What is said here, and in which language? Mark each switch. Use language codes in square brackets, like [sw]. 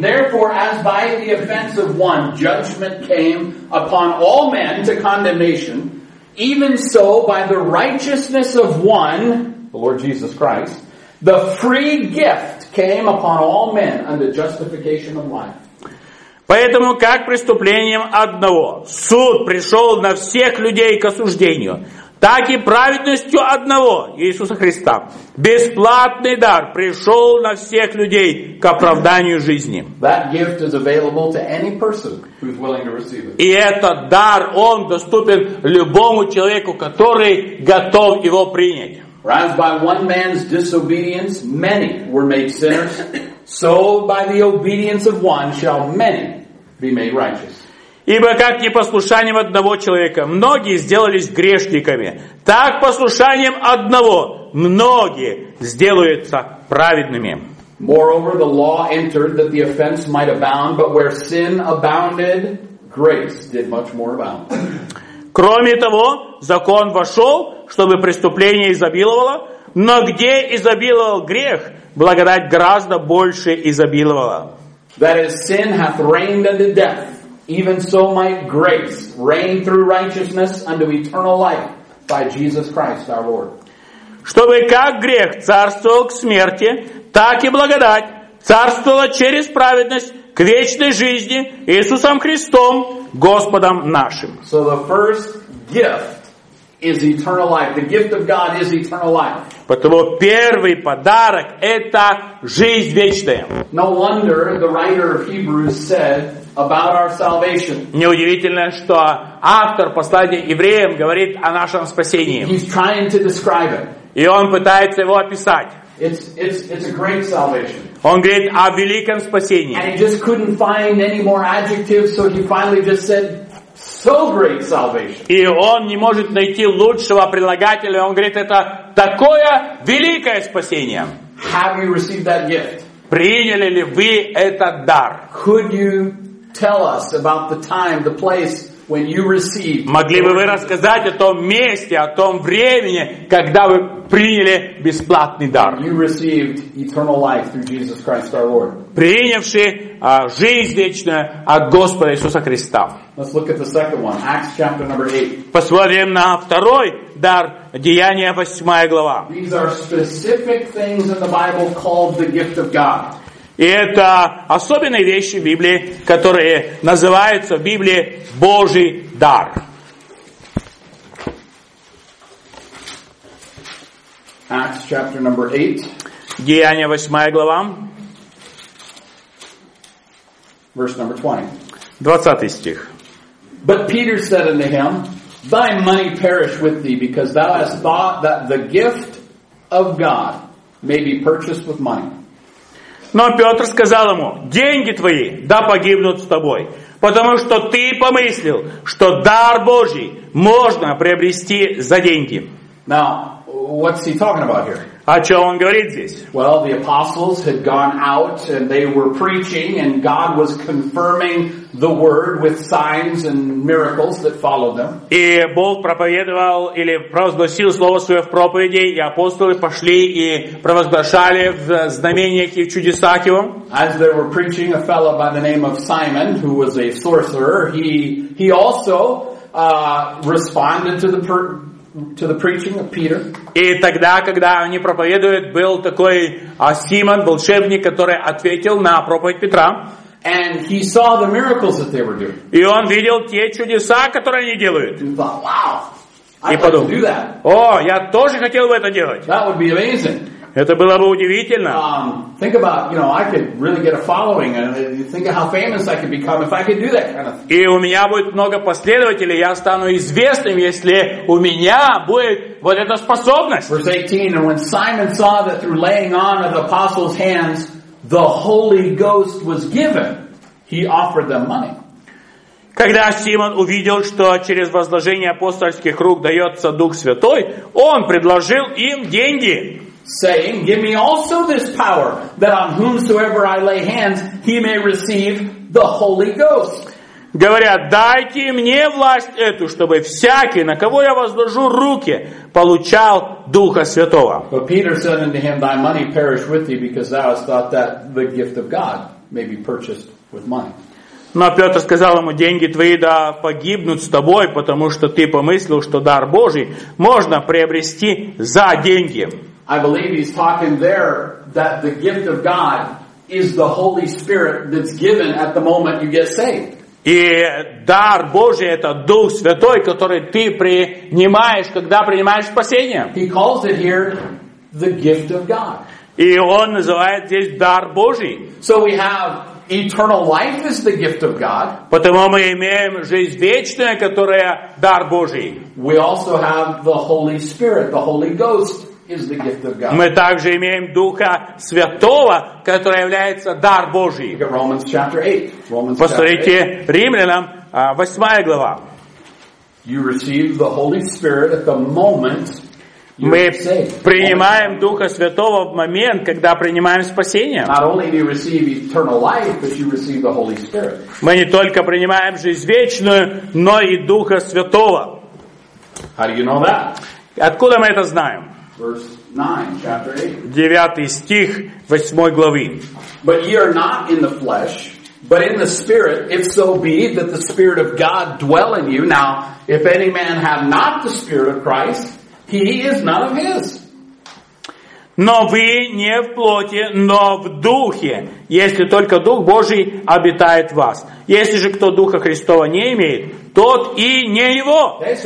[en] Therefore, as by the offense of one, judgment came upon all men to condemnation, even so by the righteousness of one, the Lord Jesus Christ, the free gift came upon all men under justification of life. [ru] Поэтому как преступлением одного суд пришел на всех людей к осуждению, так и праведностью одного Иисуса Христа бесплатный дар пришел на всех людей к оправданию жизни. [en] That gift is available to any person who's willing to receive it. [ru] И этот дар, он доступен любому человеку, который готов его принять. [en] For as by one man's disobedience many were made sinners, so by the obedience of one shall many be made righteous. [ru] Ибо как непослушанием одного человека многие сделались грешниками, так послушанием одного многие сделаются праведными. [en] Moreover, the law entered that the offense might abound, but where sin abounded, grace did much more abound. [ru] Кроме того, закон вошел, чтобы преступление изобиловало, но где изобиловал грех, благодать гораздо больше изобиловала. [en] That is, sin hath reigned unto death, even so might grace reign through righteousness unto eternal life by Jesus Christ our Lord. [ru] Чтобы как грех царствовал к смерти, так и благодать царствовала через праведность к вечной жизни Иисусом Христом, Господом нашим. [en] So the first gift is eternal life. The gift of God is eternal life. [ru] Потому первый подарок это жизнь вечная. [en] No wonder the writer of Hebrews said about our salvation. [ru] Неудивительно, что автор послания евреям говорит о нашем спасении. [en] He's trying to describe it. [ru] И он пытается его описать. [en] It's a great salvation. [ru] Он говорит о великом спасении. [en] And he just couldn't find any more adjectives, so he finally just said, so great salvation. [ru] И он не может найти лучшего прилагателя. Он говорит, это такое великое спасение. [en] Have you received that gift? [ru] Приняли ли вы этот дар? [en] Could you tell us about the time, the place when you received? [ru] Могли бы вы рассказать о том месте, о том времени, когда вы приняли бесплатный дар? [en] You received eternal life through Jesus Christ our Lord. [ru] Принявши жизнь вечную от Господа Иисуса Христа. [en] Let's look at the second one, Acts chapter number 8. [ru] Посмотрим на второй дар, Деяния 8 глава. [en] These are specific things in the Bible called the gift of God. [ru] И это особенные вещи в Библии, которые называются в Библии Божий дар. [en] Acts chapter number 8. [ru] Деяния 8 глава. [en] Verse number 20. [ru] 20 стих. [en] But Peter said unto him, thy money perish with thee, because thou hast thought that the gift of God may be purchased with money. [ru] Но Петр сказал ему, деньги твои да погибнут с тобой, потому что ты помыслил, что дар Божий можно приобрести за деньги. [en] Now, what's he talking about here? [ru] О чем он говорит здесь? [en] Well, the apostles had gone out and they were preaching and God was confirming the word with signs and miracles that followed them. [ru] И Бог проповедовал или провозгласил слово свое в проповеди, и апостолы пошли и провозглашали в знамениях и в чудесах его. [en] As they were preaching, a fellow by the name of Simon, who was a sorcerer, he also responded to the preaching of Peter. [ru] И тогда, когда они проповедуют, был такой Симон, волшебник, который ответил на проповедь Петра. [en] And he saw the miracles that they were doing. [ru] И он видел те чудеса, которые они делают. [en] And he thought, wow, I'd [ru] подумал, [en] like to do that. [ru] О, я тоже хотел бы это делать. [en] That would be amazing. [ru] Это было бы удивительно. [en] Think about, you know, I could really get a following, and think of how famous I could become if I could do that kind of thing. [ru] И у меня будет много последователей, я стану известным, если у меня будет вот эта способность. [en] Verse 18, and when Simon saw that through laying on of the apostles' hands the Holy Ghost was given, he offered them money. [ru] Когда Симон увидел, что через возложение апостольских рук дается Дух Святой, он предложил им деньги. [en] Saying, give me also this power, that on whomsoever I lay hands, he may receive the Holy Ghost. [ru] Говоря, дайте мне власть эту, чтобы всякий, на кого я возложу руки, получал Духа Святого. [en] But Peter said unto him, thy money perish with thee, because thou hast thought that the gift of God may be purchased with money. [ru] Но Петр сказал ему, деньги твои да погибнут с тобой, потому что ты помыслил, что дар Божий можно приобрести за деньги. [en] I believe he's talking there that the gift of God is the Holy Spirit that's given at the moment you get saved. [ru] И дар Божий это Дух Святой, который ты принимаешь, когда принимаешь спасение. [en] He calls it here the gift of God. [ru] И он называет здесь дар Божий. [en] So we have eternal life is the gift of God. [ru] Потому мы имеем жизнь вечную, которая дар Божий. [en] We also have the Holy Spirit, the Holy Ghost. Is the gift of God. [ru] Мы также имеем Духа Святого, который является дар Божий. [en] Look at Romans chapter 8. Romans [ru] Посмотрите Римлянам, 8 глава. [en] You receive the Holy Spirit at the moment you are saved. [ru] Мы принимаем Духа Святого в момент, когда принимаем спасение. [en] Not only do you receive eternal life, but you receive the Holy Spirit. [ru] Мы не только принимаем жизнь вечную, но и Духа Святого. [en] How do you know that? [ru] Откуда мы это знаем? [en] Verse 9, chapter 8. But ye are not in the flesh, but in the Spirit, if so be that the Spirit of God dwell in you. Now, if any man have not the Spirit of Christ, he is none of his. [ru] Но вы не в плоти, но в духе, если только Дух Божий обитает в вас. Если же кто Духа Христова не имеет, тот и не его.